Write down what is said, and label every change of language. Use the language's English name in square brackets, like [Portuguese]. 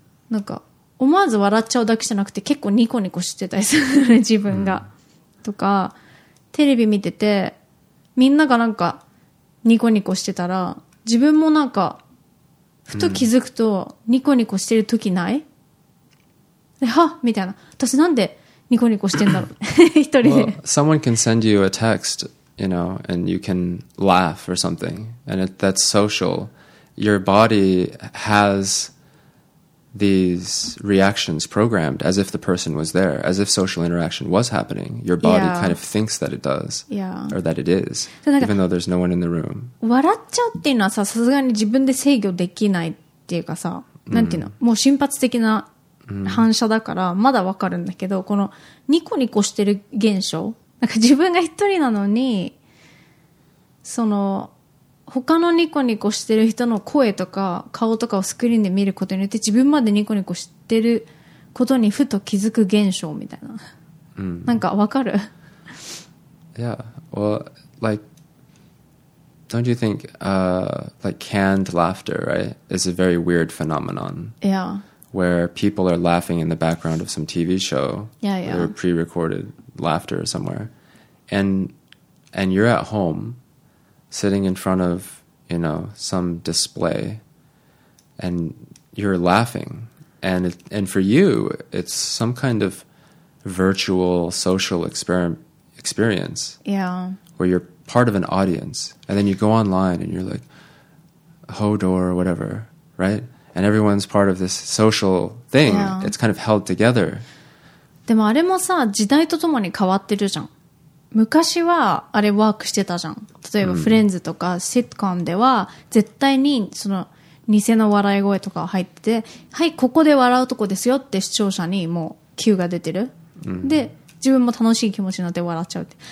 [Japanese] なんか思わず笑っちゃうだけじゃなくて結構ニコニコしてたりするね、自分が、とかテレビ見ててみんながなんかニコニコしてたら自分もなんかふと気づくとニコニコしてる時ない？はっみたいな、私なんでニコニコしてんだろう一人で。 [English] Well, someone can send you a text, you know, and you can laugh or something, and it, that's social. Your body has these reactions programmed as if the person was there, as if social interaction was happening. Your body kind of thinks that it does, or that it is, even though there's no one in the room. [Japanese] 笑っちゃうっていうのはさ、さすがに自分で制御できないっていうかさ、なんていうの、もう瞬発的な反射だからまだわかるんだけど、このニコニコしてる現象、なんか自分が一人なのにその他のニコニコしてる人の声とか顔とかをスクリーンで見ることによって自分までニコニコしてることにふと気づく現象みたいな、なんかわかる？ [English] Yeah, well, like, don't you think, like canned laughter, right, is a very weird phenomenon? Yeah. Where people are laughing in the background of some TV show, yeah, or pre-recorded laughter somewhere, and you're at home, sitting in front of, you know, some display, and you're laughing, and for you it's some kind of virtual social experience, yeah, where you're part of an audience, and then you go online and you're like Hodor or whatever, right, and everyone's part of this social thing, yeah. It's kind of held together. [Japanese] でもあれもさ、時代とともに変わってるじゃん。昔はあれワークしてたじゃん。例えばフレンズとかシットコムでは絶対にその偽の笑い声とか入ってて、はい、ここで笑うとこですよって視聴者にもうキューが出てる、で自分も楽しい気持ちになって笑っちゃうって。